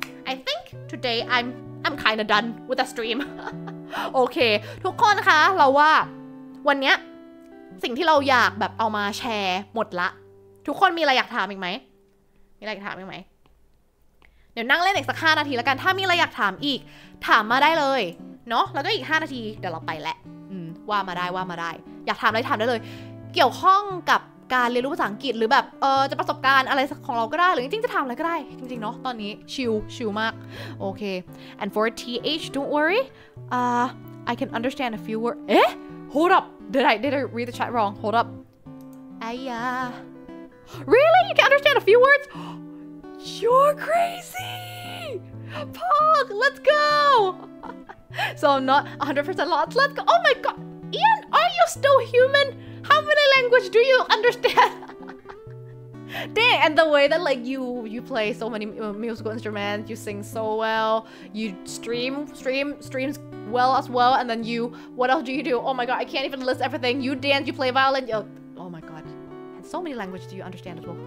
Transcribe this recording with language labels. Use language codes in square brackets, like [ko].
[en] I think today I'm kind of done with the stream. okay. [th] ทุกคนคะเราว่าวันเนี้ยสิ่งที่เราอยากแบบเอามาแชร์หมดละทุกคนมีอะไรอยากถามอีกไหมเดี๋ย เดี๋ยวนั่งเล่นอีกสัก5นาทีแล้วกันถ้ามีอะไรอยากถามอีกถามมาได้เลยเนาะแล้วก็อีก5นาทีเดี๋ยวเราไปแหละ ว่ามาได้ว่ามาได้อยากถามอะไรถามได้เลยเกี่ยวข้องกับการเรียนรู้ภาษาอังกฤษหรือแบบจะประสบการณ์อะไรของเราก็ได้หรือจริงๆจะถามอะไรก็ได้จริงๆเนาะตอนนี้ชิลชิลมาก [en] โอเค and for th don't worry I can understand a few words เอ๊ะ hold up did I read the chat wrong hold up Aya really you can understand a few words you're crazy Pog let's go so I'm not 100% lost let's go oh my god Ian are you still humanHow many language do you understand? Dang, and the way that like you play so many musical instruments, you sing so well, you streams well as well, and then you, what else do you do? Oh my god, I can't even list everything. You dance, you play violin, oh my god. And so many language do you understand as well.